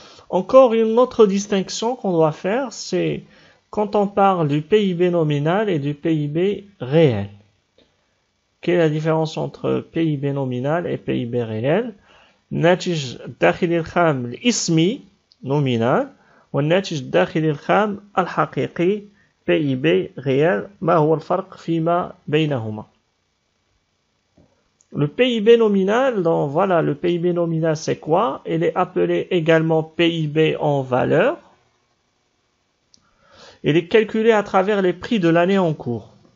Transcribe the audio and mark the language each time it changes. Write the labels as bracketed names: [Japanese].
[French] Encore une autre distinction qu'on doit faire, c'est quand on parle du PIB nominal et du PIB réel. Quelle est la différence entre PIB nominal et PIB réel? [Arabic] الناتج الداخلي الخام الاسمي nominal والناتج الداخلي الخام الحقيقي PIB réel. ما هو الفرق فيما بينهما؟ [French] Le PIB nominal, donc voilà, le PIB nominal c'est quoi? Il est appelé également PIB en valeur. Il est calculé à travers les prix de l'année en cours.